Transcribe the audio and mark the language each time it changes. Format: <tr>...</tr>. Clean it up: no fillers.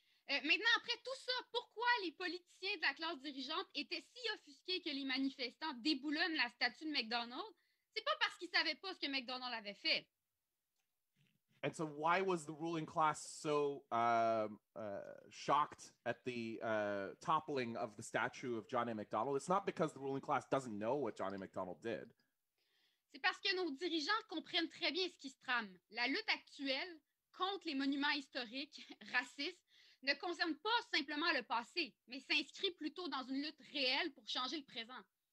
<fr>Maintenant, après tout ça, pourquoi les politiciens de la classe dirigeante étaient si offusqués que les manifestants déboulonnent la statue de McDonald? C'est pas parce qu'ils savaient pas ce que McDonald avait fait.</fr> <en>And so why was the ruling class so shocked at the toppling of the statue of John A. McDonald? It's not because the ruling class doesn't know what John A. McDonald did.</en> <fr>C'est parce que nos dirigeants comprennent très bien ce qui se trame. La lutte actuelle contre les monuments historiques racistes ne concerne pas simplement le passé, mais s'inscrit plutôt dans une lutte réelle pour changer le présent.</fr>